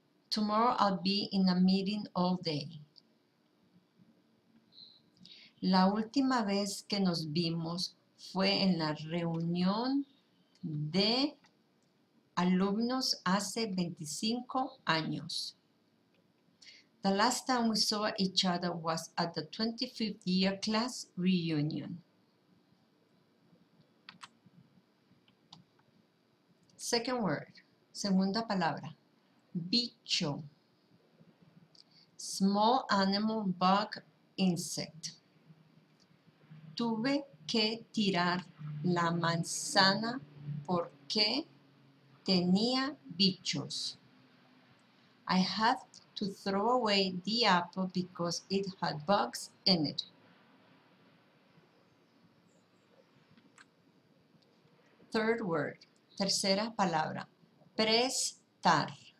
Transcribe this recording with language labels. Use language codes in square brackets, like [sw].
[en] Tomorrow I'll be in a meeting all day. [es] La última vez que nos vimos fue en la reunión de alumnos hace 25 años. [en] The last time we saw each other was at the 25th year class reunion. Second word, [es] segunda palabra. [en] Bicho, small animal, bug, insect. [es] Tuve que tirar la manzana porque tenía bichos. [en] I had to throw away the apple because it had bugs in it. Third word, [es] tercera palabra. [en] Prestar.